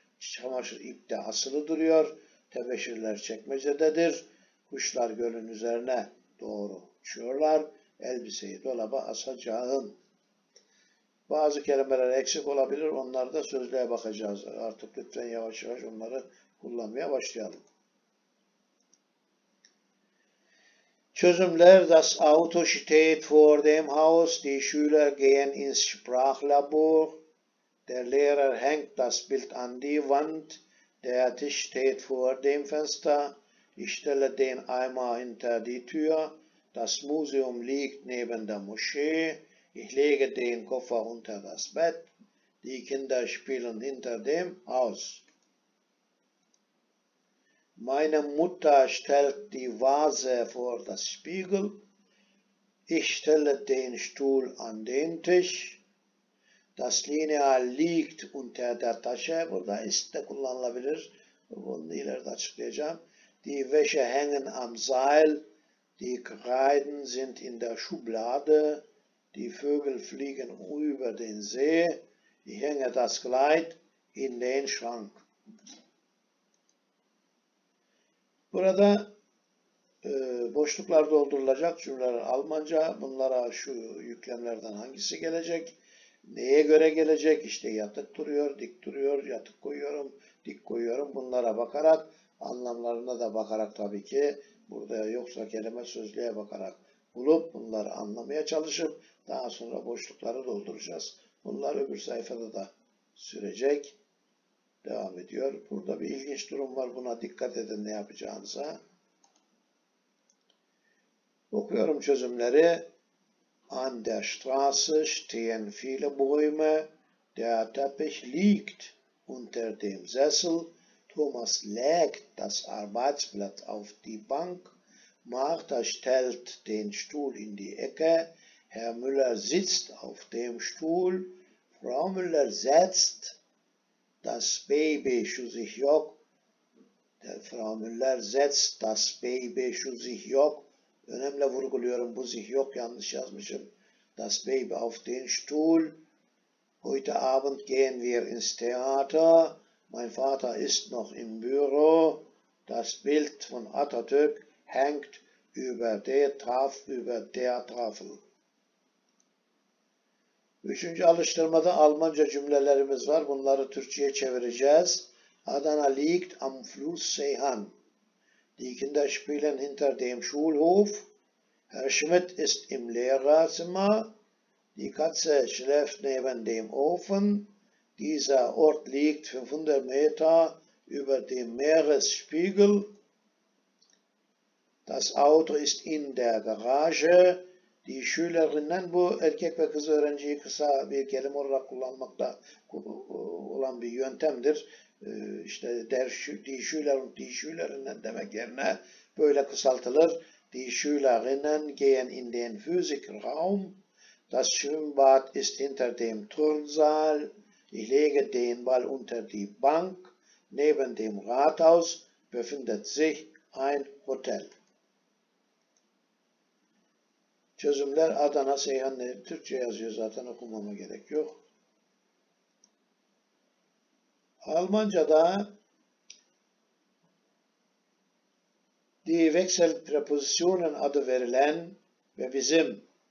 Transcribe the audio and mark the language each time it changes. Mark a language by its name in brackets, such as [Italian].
[Turkish] Çamaşır ip de asılı duruyor. Tebeşirler çekmecededir. Kuşlar gölün üzerine doğru uçuyorlar. Elbiseyi dolaba asacağım. Bazı kelimeler eksik olabilir. Onları da sözlüğe bakacağız. Artık lütfen yavaş yavaş onları kullanmaya başlayalım. Çözümler: [German] Das Auto steht vor dem Haus. Die Schüler gehen ins Sprachlabor. Der Lehrer hängt das Bild an die Wand. Der Tisch steht vor dem Fenster. Ich stelle den Eimer hinter die Tür. Das Museum liegt neben der Moschee. Ich lege den Koffer unter das Bett. Die Kinder spielen hinter dem Haus. Meine Mutter stellt die Vase vor das Spiegel. Ich stelle den Stuhl an den Tisch. Das Lineal liegt unter der Tasche. [Turkish] Burada ist de kullanılabilir. Bunu ileride açıklayacağım. [German] Die Wäsche hängen am Seil. Die Kreiden sind in der Schublade. Die Vögel fliegen über den See. Ich hänge das Kleid in den Schrank. [Turkish] Burada boşluklar doldurulacak. Cümleler Almanca. Bunlara şu yüklemlerden hangisi gelecek? Neye göre gelecek? İşte yatık duruyor, dik duruyor, yatık koyuyorum, dik koyuyorum. Bunlara bakarak, anlamlarına da bakarak tabii ki, burada yoksa kelime sözlüğe bakarak bulup bunları anlamaya çalışıp daha sonra boşlukları dolduracağız. Bunlar öbür sayfada da sürecek. Devam ediyor. Burada bir ilginç durum var. Buna dikkat edin ne yapacağınıza. Okuyorum çözümleri. [German] An der Straße stehen viele Bäume. Der Teppich liegt unter dem Sessel. Thomas legt das Arbeitsblatt auf die Bank. Martha stellt den Stuhl in die Ecke. Herr Müller sitzt auf dem Stuhl. Frau Müller setzt das Baby zu sich jog. Frau Müller setzt das Baby zu sich jog. [Turkish] Önemli vurguluyorum bu sich yok, yanlış yazmışım. [German] Das Baby auf den Stuhl. Heute Abend gehen wir ins Theater. Mein Vater ist noch im Büro. Das Bild von Atatürk hängt über der Tafel. [Turkish] Üçüncü alıştırmada Almanca cümlelerimiz var. Bunları Türkçe'ye çevireceğiz. [German] Adana liegt am Fluss Seyhan. Die Kinder spielen hinter dem Schulhof. Herr Schmidt ist im Lehrerzimmer. Die Katze schläft neben dem Ofen. Dieser Ort liegt 500 Meter über dem Meeresspiegel. Das Auto ist in der Garage. Die Schülerinnen, [Turkish] bu erkek ve kız öğrenciyi kısa bir kelime olarak kullanmakta olan bir yöntemdir. İşte [German] der die Schüler und die Schülerinnen [Turkish] demek yerine böyle kısaltılır. [German] Die Schülerinnen gehen in den Physikraum. Das Schwimmbad ist hinter dem Turnsaal. Ich lege den Ball unter die Bank. Neben dem Rathaus befindet sich ein Hotel. [Turkish] Çözümler: Adana Seyhan. Türkçe yazıyor zaten, okumama gerek yok. Almanca'da die Wechselpräpositionen adı verilen ve bizim